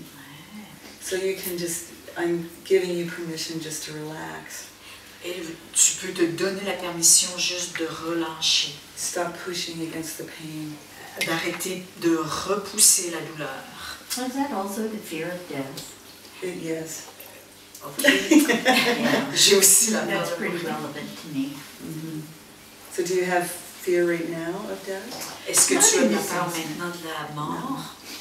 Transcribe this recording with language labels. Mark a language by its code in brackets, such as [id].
[en] Ouais. So you can just, I'm giving you permission just to relax. [fr] Et tu peux te donner la permission juste de relâcher. [en] Stop pushing against the pain. [fr] D'arrêter de repousser la douleur. [en] Is that also the fear of death? Yes. Okay. Yeah. [fr] J'ai aussi la [en] peur. That's pretty relevant to me. Mm-hmm. So do you have fear right now of death? [fr] Est-ce que tu as la peur maintenant de la mort?